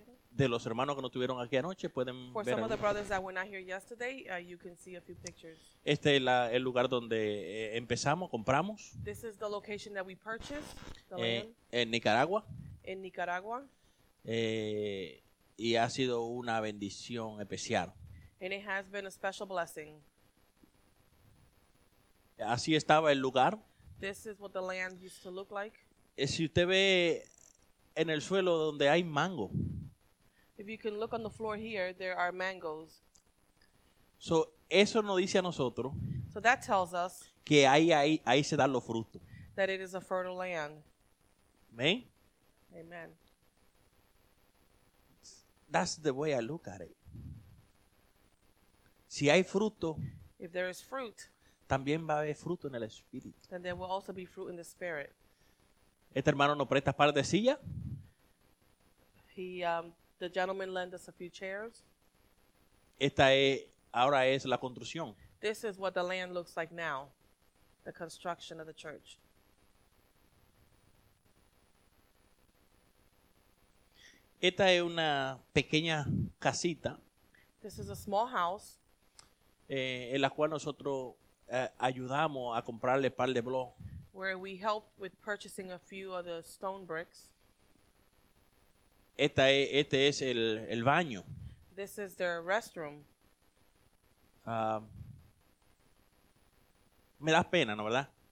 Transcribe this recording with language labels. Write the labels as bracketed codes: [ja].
[es] De los hermanos que no tuvieron aquí anoche pueden [en] for [es] ver. [en] For some of the brothers that were not here yesterday, you can see a few pictures. [es] Este es el lugar donde empezamos, compramos. [en] This is the location that we purchased. The land. [es] En Nicaragua. [en] In Nicaragua. [es] Y ha sido una bendición especial. [en] And it has been a special blessing. [es] Así estaba el lugar. [en] This is what the land used to look like. [es] Si usted ve en el suelo donde hay mango. [en] If you can look on the floor here, there are mangoes. [es] So, eso nos dice a nosotros. [en] So that tells us. [es] Que ahí se dan los frutos. [en] That it is a fertile land. Amen. Amen. That's the way I look at it. [es] Si hay fruto. [en] If there is fruit. [es] También va a haber fruto en el espíritu. [en] Then there will also be fruit in the spirit. [es] Este hermano nos presta par de sillas. [en] The gentleman lent us a few chairs. [es] Esta es, ahora es la construcción. [en] This is what the land looks like now. The construction of the church. [es] Esta es una pequeña casita. [en] This is a small house. [es] En la cual nosotros ayudamos a comprarle par de bloques. [en] Where we helped with purchasing a few of the stone bricks. [es] Este es el baño. [en] This is their restroom. [es] Me da pena, ¿no verdad?